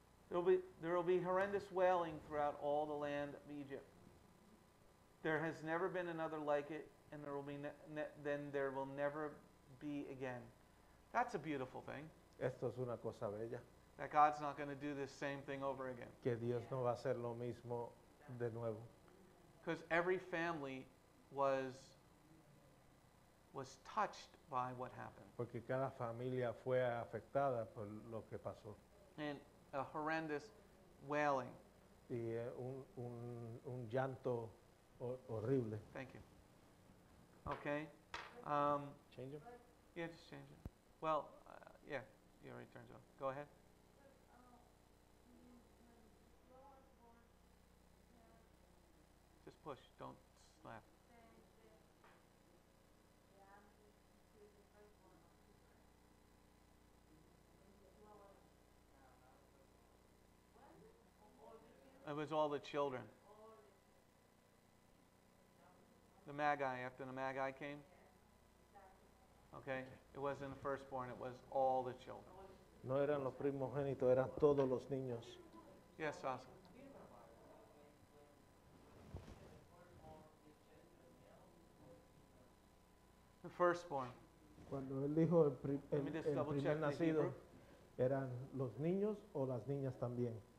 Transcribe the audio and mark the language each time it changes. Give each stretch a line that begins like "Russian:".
English: There will be horrendous wailing throughout all the land of Egypt. There has never been another like it, and there will be there will never be again. That's a beautiful thing.
Spanish: Esto es una cosa bella.
English: That God's not going to do this same thing over again.
Spanish: Que Dios no va a hacer lo mismo de nuevo.
English: Because every family was touched by what happened.
Spanish: Porque cada familia fue afectada por lo que pasó.
English: And a horrendous wailing.
Spanish: Y un llanto horrible.
English: Thank you. Okay. Change them? Yeah, just change it. Well, yeah, you already turned it on. Go ahead. Just push. Don't slap. It was all the children. The Magi, after the Magi came? Okay. It wasn't the firstborn, it was all the children.
Spanish: No eran los primogénitos, eran todos los niños.
English: Yes, Oscar. The firstborn.
Spanish: Cuando él dijo el primer nacido, eran los niños o las niñas también.